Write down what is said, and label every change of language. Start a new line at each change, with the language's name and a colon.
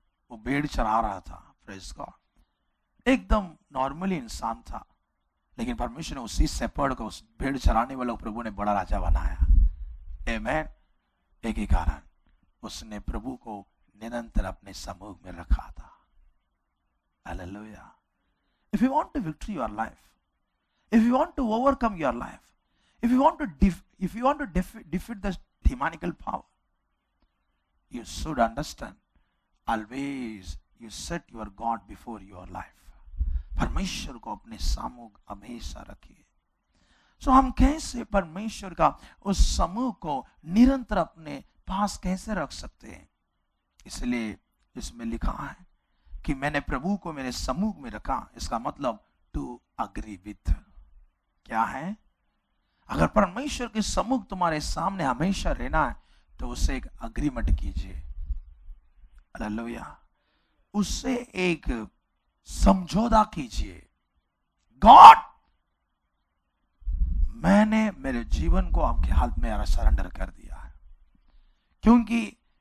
Hindi: वो भेड़ चरा रहा था,
English: praise God,
Hindi: एकदम नॉर्मली इंसान था, लेकिन परमेश्वर ने उसी शेपर्ड को, उस भेड़ चराने वाले को प्रभु ने बड़ा राजा बनाया. आमीन. एक ही कारण, उसने प्रभु को निरंतर अपने समूह में रखा था. Hallelujah.
English: If you want to victory your life, if you want to overcome your life, If you want to defeat the demonical power, you should understand, always you set your God before your life.
Hindi: Parmeshwar ko apne samug hamesha rakhiye. So hum kaise Parmeshwar ka us samug ko nirantar apne paas kaise rakh sakte hain? Isliye isme likha hai ki maine Prabhu ko mere samug mein rakha. Iska matlab to agree with. Kya hai? अगर परमेश्वर के सम्मुख तुम्हारे सामने हमेशा रहना है तो उसे एक अग्रीमेंट कीजिए. हालेलुया. उसे एक समझौता कीजिए. गॉड, मैंने मेरे जीवन को आपके हाथ में सरेंडर कर दिया है, क्योंकि